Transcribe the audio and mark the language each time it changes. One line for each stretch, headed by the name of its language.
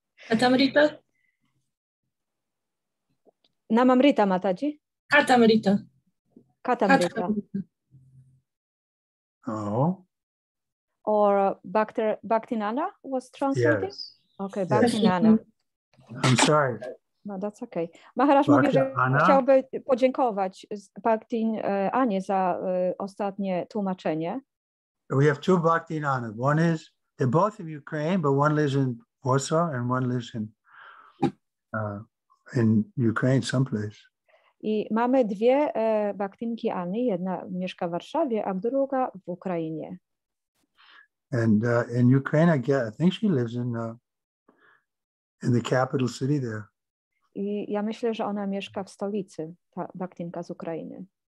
English: Katamrita. Namamrita, Mataji. Katamrita. Katamrita. Oh. Or Bhaktinanda was translating? Yes. Okay, Bhaktinanda. I'm sorry. No, that's okay.
Polish: Maharaj mówi, że chciałby podziękować Bhaktin Anie za ostatnie tłumaczenie.
English: We have two Bhaktinanda. One is, they're both in Ukraine, but one lives in Warsaw and one lives in Ukraine someplace.
Polish: I mamy dwie Bhaktinki Anie. Jedna mieszka w Warszawie, a druga w Ukrainie.
English: And in Ukraine, I guess, I think she lives in the capital city there.
Polish: I ja myślę, że ona mieszka w stolicy, ta Bhaktinka z Ukrainy.